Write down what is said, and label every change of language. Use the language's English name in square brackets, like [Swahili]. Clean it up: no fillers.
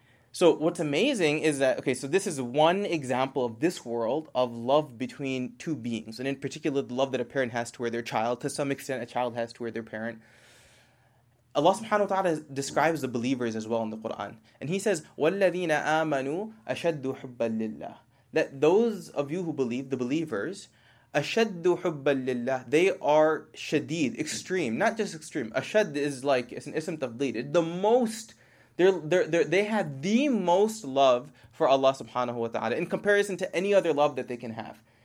[English] So what's amazing is that, okay, so this is one example of this world of love between two beings. And in particular, the love that a parent has toward their child, to some extent a child has toward their parent. Allah subhanahu wa ta'ala describes the believers as well in the Quran. And he says, [Arabic] وَالَّذِينَ آمَنُوا أَشَدُّ حُبَّا لِلَّهِ. [English] That those of you who believe, the believers, [Arabic] أَشَدُّ حُبَّا لِلَّهِ, [English] they are shadid, extreme, not just extreme. Ashad is like, it's an ism tafdeed, the most. They have the most love for Allah subhanahu wa ta'ala in comparison to any other love that they can have.